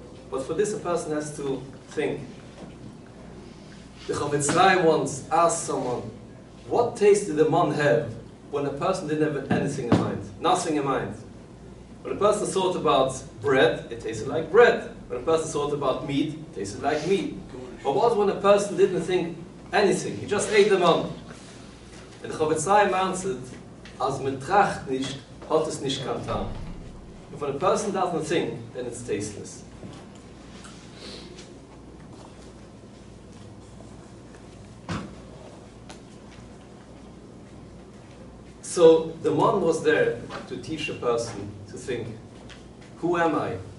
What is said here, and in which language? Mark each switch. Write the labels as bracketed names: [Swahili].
[English] But for this, a person has to think. The Chofetz Chaim once asked someone, what taste did a man have when a person didn't have anything in mind? Nothing in mind. When a person thought about bread, it tasted like bread. When a person thought about meat, it tasted like meat. But what when a person didn't think anything? He just ate the man. And the Chofetz Chaim answered, [Yiddish] as men tracht nicht, hat es nicht kein Tam. [English] If a person doesn't think, then it's tasteless. So the man was there to teach a person to think, who am I?